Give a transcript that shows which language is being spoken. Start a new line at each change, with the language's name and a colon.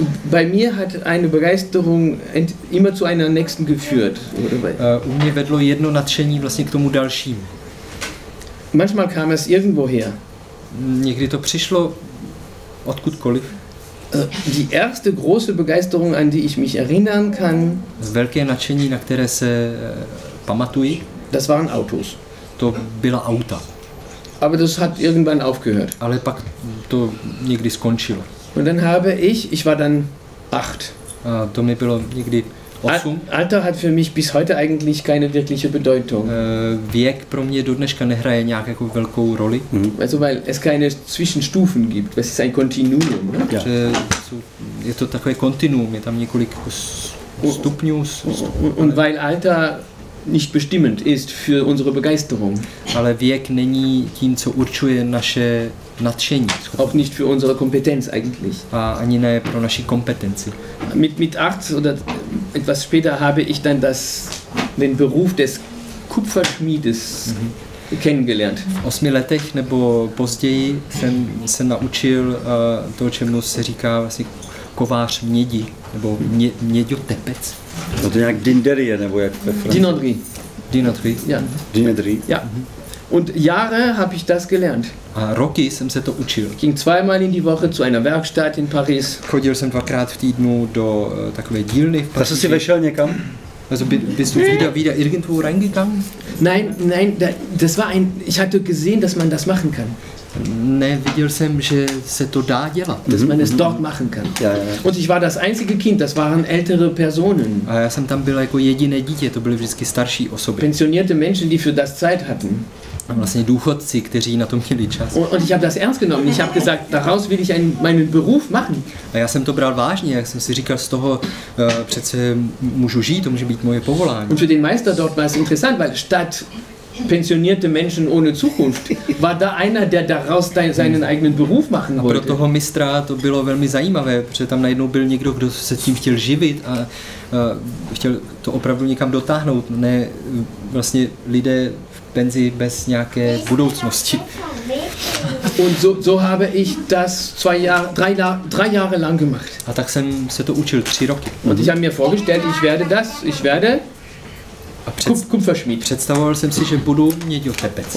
German: Bei mir hat eine Begeisterung immer zu einer nächsten geführt.
Czech: U mě vedlo jedno nadšení vlastně k tomu dalšímu.
German: Manchmal kam es irgendwoher.
Czech: Někdy to přišlo odkudkoliv.
German: Die erste große Begeisterung, an die ich mich erinnern kann.
Czech: Velké nadšení, na které se pamatuji.
German: Das waren Autos.
Czech: To byla auta.
German: Aber das hat irgendwann aufgehört.
Czech: Ale pak to někdy skončilo.
German: Und dann habe ich war dann 8.
Czech: To mi bylo někdy 8.
German: Alter hat für mich bis heute eigentlich keine wirkliche Bedeutung.
Czech: Věk pro mě dodneška nehraje nějak jako velkou roli. Mhm.
German: Also weil es keine Zwischenstufen gibt, es ist ein Kontinuum. Ja.
Czech: Je to takové kontinuum, je tam několik stupňů.
German: Und weil Alter nicht bestimmend ist für unsere Begeisterung.
Czech: Ale věk není tím, co určuje naše nadšení.
German: Auch nicht für unsere Kompetenz eigentlich.
Czech: A ani ne pro naši kompetenci.
German: Mit 8 oder etwas später habe ich dann den Beruf des Kupferschmiedes kennengelernt.
Czech: V 8 letech nebo později jsem se naučil to, čemu se říká vlastně kovář mědi, nebo měďotepec. No to nějak dinderie, nebo jak ve Francii. Dinoderie. Dinoderie.
German: Ja. Dinoderie. Ja. Und Jahre habe ich das gelernt.
Czech: A roky jsem se to učil.
German: Ging zweimal in die Woche zu einer Werkstatt in Paris.
Czech: Chodil jsem dvakrát v týdnu do takové dílny v Paříži. Tak jsi vešel někam?
German: Also bist du wieder irgendwo reingegangen? Nein, das war ich hatte gesehen, dass man das machen kann.
Czech: Ne, viděl jsem, že se to dá dělat.
German: Dass man es dort machen kann. Ja, ja. Und ich war das einzige Kind, das waren ältere Personen.
Czech: A já jsem tam byl jako jediné dítě, to byly vždycky starší osoby.
German: Pensionierte Menschen, die für das Zeit hatten.
Czech: A vlastně důchodci, kteří na to měli čas.
German: Und ich habe das ernst genommen. Ich habe gesagt, daraus will ich meinen Beruf machen.
Czech: A já jsem to bral vážně, jak jsem si říkal, z toho přece můžu žít, to může být moje povolání.
German: Und für den Meister dort war es interessant, weil statt pensionierte Menschen ohne Zukunft war da einer, der daraus seinen eigenen Beruf machen wollte.
Czech: A pro toho mistra to bylo velmi zajímavé, protože tam najednou byl někdo, kdo se tím chtěl živit a chtěl to opravdu někam dotáhnout, ne vlastně lidé v penzi bez nějaké budoucnosti.
German: Und so habe ich das drei Jahre lang gemacht.
Czech: A tak jsem se to učil 3 roky.
German: Und ich habe mir vorgestellt, ich werde Kupferschmied.
Czech: Představoval jsem si, že budu měďotepec.